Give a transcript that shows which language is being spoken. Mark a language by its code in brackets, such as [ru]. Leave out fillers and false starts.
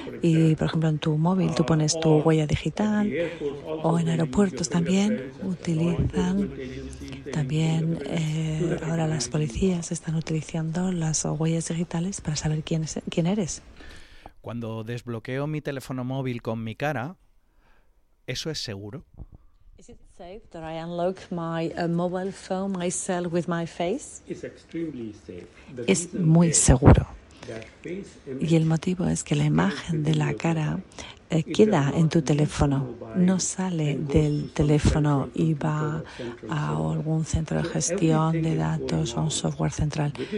[es] Y por ejemplo en tu móvil tú pones tu huella digital, o en aeropuertos también utilizan también ahora las policías están utilizando las huellas digitales para saber quién eres. Cuando desbloqueo mi teléfono móvil con mi cara, ¿eso es seguro? [en] Is it safe that I unlock my mobile phone myself with my face? It's extremely safe. [es] Es muy seguro. Y el motivo es que la imagen de la cara queda en tu teléfono, no sale del teléfono y va a algún centro de gestión de datos o un software central.